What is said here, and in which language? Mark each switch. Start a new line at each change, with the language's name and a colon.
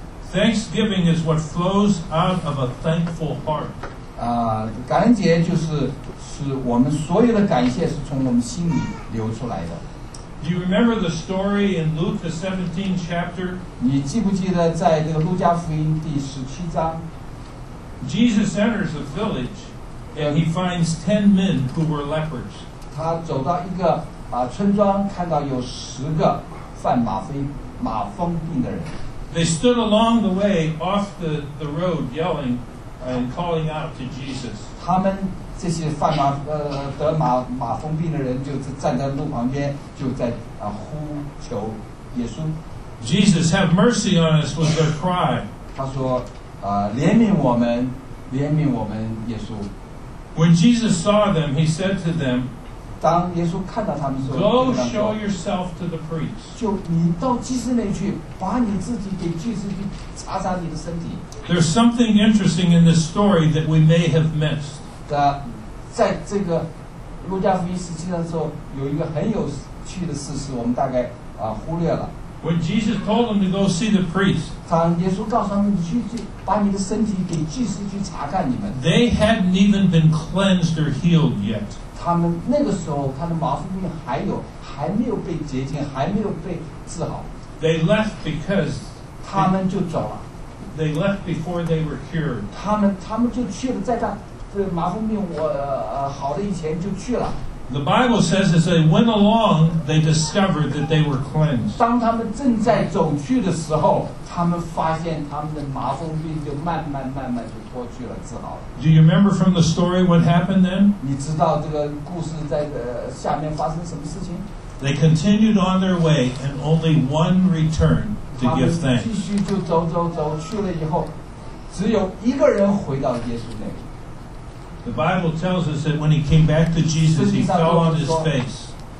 English: Thanksgiving is what flows out of a thankful heart.
Chinese: 感恩节就是使我们所有的感谢是从我们心里流出来的。
English: Do you remember the story in Luke, the 17th chapter?
Chinese: 你记不记得在这个路加福音第十七章?
English: Jesus enters a village, and he finds 10 men who were lepers.
Chinese: 他走到一个村庄，看到有十个犯马蜂病的人。
English: They stood along the way, off the road, yelling and calling out to Jesus.
Chinese: 他们这些犯马得马蜂病的人就是站在路旁边，就在呼求耶稣。
English: Jesus, have mercy on us, was their cry.
Chinese: 他说，怜悯我们，怜悯我们，耶稣。
English: When Jesus saw them, he said to them,
Chinese: 当耶稣看到他们说，
English: Go show yourself to the priest.
Chinese: 就你到祭司那去，把你自己给祭司去查查你的身体。
English: There's something interesting in this story that we may have missed.
Chinese: 在这个路加福音时期的时候，有一个很有趣的事实，我们大概忽略了。
English: When Jesus told them to go see the priest,
Chinese: 当耶稣告诉他们你去把你的身体给祭司去查看你们。
English: They hadn't even been cleansed or healed yet.
Chinese: 他们那个时候，他的麻风病还没有被洁净，还没有被治好。
English: They left because
Chinese: 他们就走了。
English: They left before they were cured.
Chinese: 他们就去了，在他。这麻风病好了以前就去了。
English: The Bible says as they went along, they discovered that they were cleansed.
Chinese: 当他们正在走去的时候，他们发现他们的麻风病就慢慢就脱去了，治好了。
English: Do you remember from the story what happened then?
Chinese: 你知道这个故事在下面发生什么事情？
English: They continued on their way, and only one returned to give thanks.
Chinese: 他们继续就走去了以后，只有一个人回到耶稣那里。
English: The Bible tells us that when he came back to Jesus, he fell on his face.